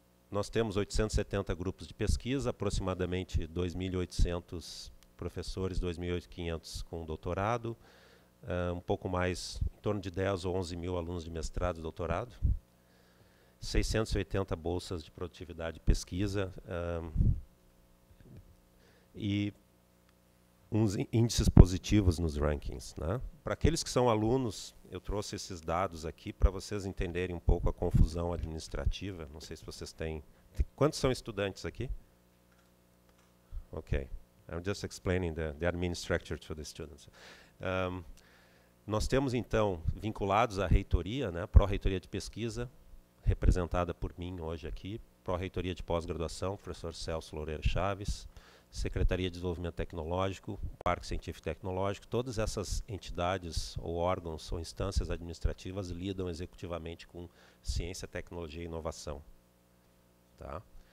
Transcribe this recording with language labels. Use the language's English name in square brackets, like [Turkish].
[Portuguese] Nós temos 870 grupos de pesquisa, aproximadamente 2.800 professores, 2.500 com doutorado, um pouco mais, em torno de 10 ou 11 mil alunos de mestrado e doutorado, 680 bolsas de produtividade de pesquisa, e uns índices positivos nos rankings. Né? Para aqueles que são alunos, eu trouxe esses dados aqui para vocês entenderem um pouco a confusão administrativa. Não sei se vocês têm... Quantos são estudantes aqui? Ok. [English] I'm just explaining the admin structure to the students. [Portuguese] Nós temos, então, vinculados à reitoria, né, pró-reitoria de pesquisa, representada por mim hoje aqui, pró-reitoria de pós-graduação, professor Celso Loureiro Chaves, Secretaria de Desenvolvimento Tecnológico, Parque Científico e Tecnológico, todas essas entidades ou órgãos ou instâncias administrativas lidam executivamente com ciência, tecnologia e inovação. Tá?